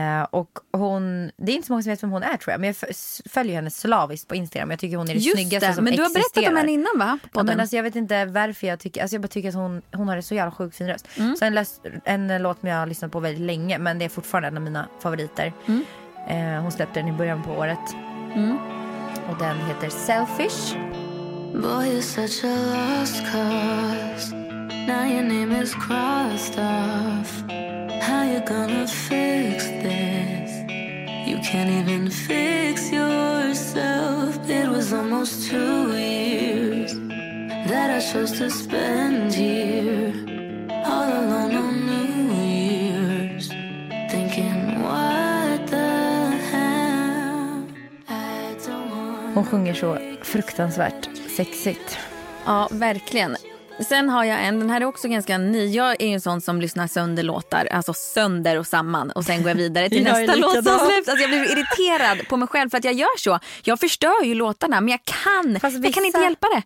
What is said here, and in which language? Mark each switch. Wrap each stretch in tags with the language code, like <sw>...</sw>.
<sv>Och hon, det är inte så många som vet vem hon är, tror jag, men jag följer henne slaviskt på Instagram. Jag tycker hon är det snyggaste som men du har berättat om henne innan, va? Ja, men alltså, jag vet inte varför jag tycker, alltså jag bara tycker att hon har en så jävla sjukt fin röst. Mm. Så en låt som jag har lyssnat på väldigt länge, men det är fortfarande en av mina favoriter. Hon släppte den i början på året. Och den heter Selfish.</sv> <en>Boy, you're such a lost cause. Now your name is crossed off. How you gonna fix this? You can't even fix yourself. It was almost 2 years that I chose to spend here, all alone on New Year's, thinking what the hell. I don't want.</en> <sv>Hon sjunger så fruktansvärt sexigt. Ja, verkligen. Sen har jag en, den här är också ganska ny. Jag är ju en sån som lyssnar sönder låtar, alltså sönder och samman, och sen går jag vidare till nästa låt som släpps. Alltså jag blir irriterad på mig själv för att jag gör så. Jag förstör ju låtarna, men jag kan vissa, jag kan inte hjälpa det.</sv>